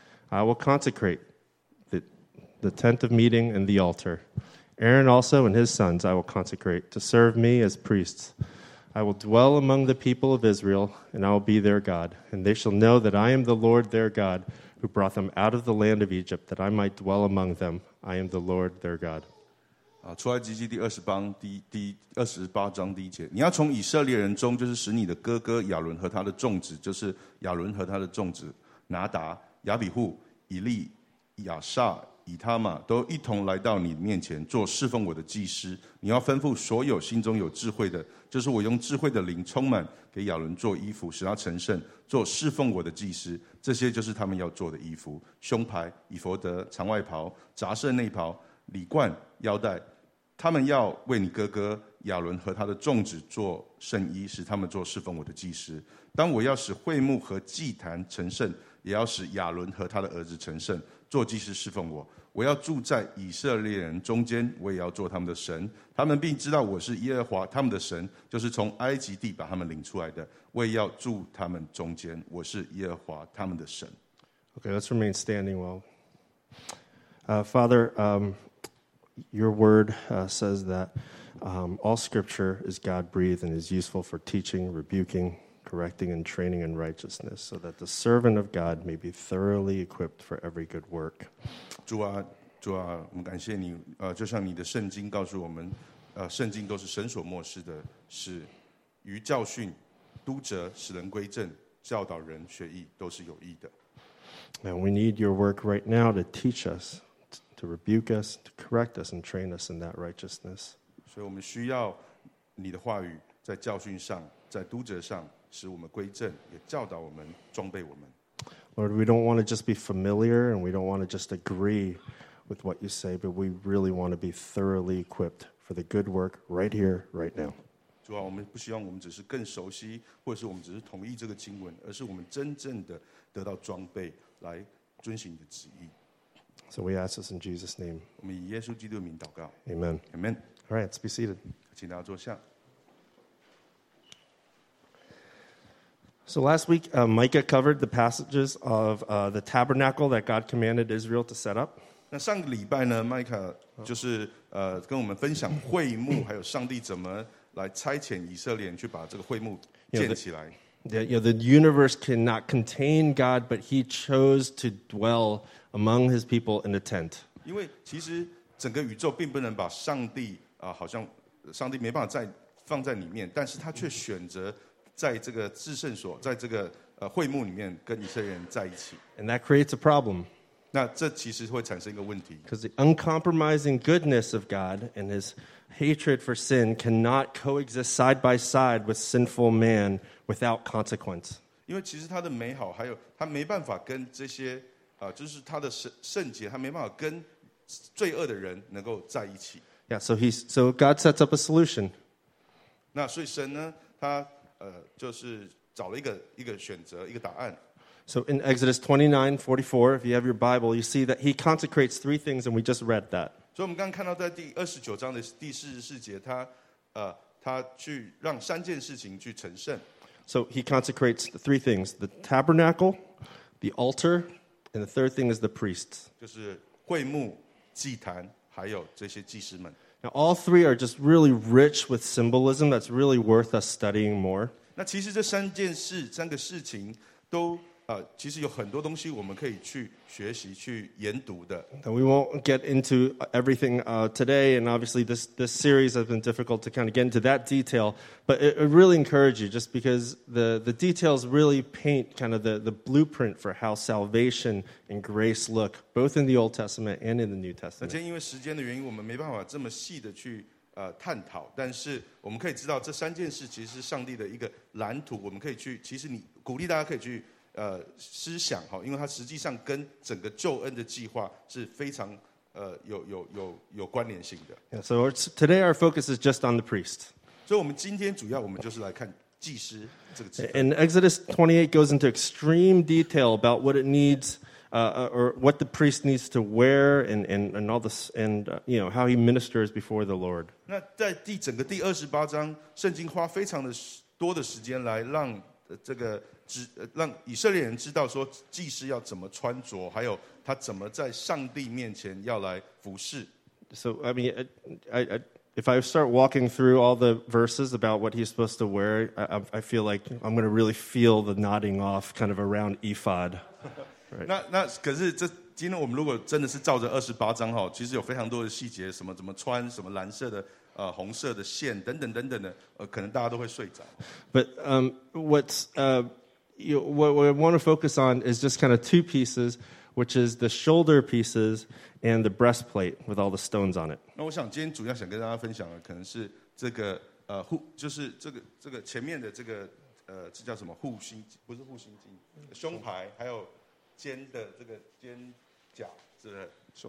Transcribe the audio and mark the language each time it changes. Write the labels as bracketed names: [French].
[English] I will consecrate the tent of meeting and the altar. Aaron also and his sons I will consecrate to serve me as priests. I will dwell among the people of Israel, and I will be their God. And they shall know that I am the Lord their God, who brought them out of the land of Egypt, that I might dwell among them. I am the Lord their God. [Chinese] 出埃及记第28章第1节，你要从以色列人中，就是使你的哥哥亚伦和他的众子，就是亚伦和他的众子拿达。亚比户、以利、亚撒、以他玛都一同来到你面前做侍奉我的祭司。你要吩咐所有心中有智慧的，就是我用智慧的灵充满给亚伦做衣服，使他成圣，做侍奉我的祭司。这些就是他们要做的衣服：胸牌、以弗德、长外袍、杂色内袍、礼冠、腰带。他们要为你哥哥亚伦和他的众子做圣衣，使他们做侍奉我的祭司。当我要使会幕和祭坛成圣，也要使亚伦和他的儿子成圣，做祭司侍奉我。我要住在以色列人中间，我也要做他们的神。他们必知道我是耶和华他们的神，就是从埃及地把他们领出来的。我也要住他们中间，我是耶和华他们的神。 [English] Okay, let's remain standing while. Father, your word says that all scripture is God-breathed and is useful for teaching, rebuking, correcting and training in righteousness, so that the servant of God may be thoroughly equipped for every good work. [Chinese] 主啊，主啊，我们感谢你。就像你的圣经告诉我们，圣经都是神所默示的，是于教训、督责、使人归正、教导人学义，都是有益的。 [English] And we need your work right now to teach us, to rebuke us, to correct us, and train us in that righteousness. [Chinese] 所以我们需要你的话语在教训上，在督责上。使我们归正，也教导我们，装备我们。 [English] Lord, we don't want to just be familiar, and we don't want to just agree with what you say, but we really want to be thoroughly equipped for the good work right here, right now. [Chinese] 主啊，我们不希望我们只是更熟悉，或者是我们只是同意这个经文，而是我们真正的得到装备，来遵行你的旨意。 [English] So we ask this in Jesus' name. [Chinese] 我们以耶稣基督的名祷告。 [English] Amen. Amen. All right, let's be seated. [Chinese] 请大家坐下。 [English] So last week, Micah covered the passages of the tabernacle that God commanded Israel to set up. [Chinese] 那上个礼拜呢，麦克就是跟我们分享会幕，还有上帝怎么来差遣以色列人去把这个会幕建起来。 [English] The universe cannot contain God, but He chose to dwell among His people in a tent. [Chinese] 因为其实整个宇宙并不能把上帝好像上帝没办法再放在里面，但是他却选择在这个至圣所，在这个会幕里面跟以色列人在一起。 [English] And that creates a problem. [Chinese] 那这其实会产生一个问题。 [English] Because the uncompromising goodness of God and His hatred for sin cannot coexist side by side with sinful man without consequence. [Chinese] 因为其实他的美好，还有他没办法跟这些就是他的圣洁，他没办法跟罪恶的人能够在一起。 [English] Yeah, so God sets up a solution. [Chinese] 那所以神呢，他就是找了一个选择，一个答案。 [English] So in Exodus 29:44, if you have your Bible, you see that he consecrates three things, and we just read that. [Chinese] 所以我们刚刚看到在第29章的第44节，他去让三件事情去成圣。 [English] So he consecrates the three things, the tabernacle, the altar, and the third thing is the priests. [Chinese] 就是会幕、祭坛，还有这些祭司们。 [English] Now all three are just really rich with symbolism that's really worth us studying more. [Chinese] 那其实这三件事、三个事情都其实有很多东西我们可以去学习、去研读的。 [English] And we won't get into everything today, and obviously this series has been difficult to kind of get into that detail, but it really encourages you just because the details really paint kind of the blueprint for how salvation and grace look, both in the Old Testament and in the New Testament. [Chinese] 那今天因为时间的原因，我们没办法这么细的去探讨，但是我们可以知道这三件事其实是上帝的一个蓝图，我们可以去，其实你鼓励大家可以去思想，因为它实际上跟整个救恩的计划是非常有关联性的。 [English] Yeah, so today our focus is just on the priest. [Chinese] 所以我们今天主要我们就是来看祭司这个职分。 [English] And Exodus 28 goes into extreme detail about what it needs, or what the priest needs to wear, and all this, how he ministers before the Lord. [Chinese] 那在整个第28章，圣经花非常的多的时间来让这个让以色列人知道说祭司要怎么穿着，还有他怎么在上帝面前要来服事。 [English] So I mean, if I start walking through all the verses about what he's supposed to wear, I feel like I'm going to really feel the nodding off kind of around ephod. Right. [Chinese] 那可是这今天我们如果真的是照着二十八章哈，其实有非常多的细节，什么怎么穿，什么蓝色的。红色的线等等等等的，可能大家都会睡着。 [English] But what I want to focus on is just kind of two pieces, which is the shoulder pieces and the breastplate with all the stones on it. [Chinese] 那我想今天主要想跟大家分享的，可能是这个就是这个前面的这个这叫什么护心，不是护心镜，胸牌，还有肩的这个肩甲，是不是？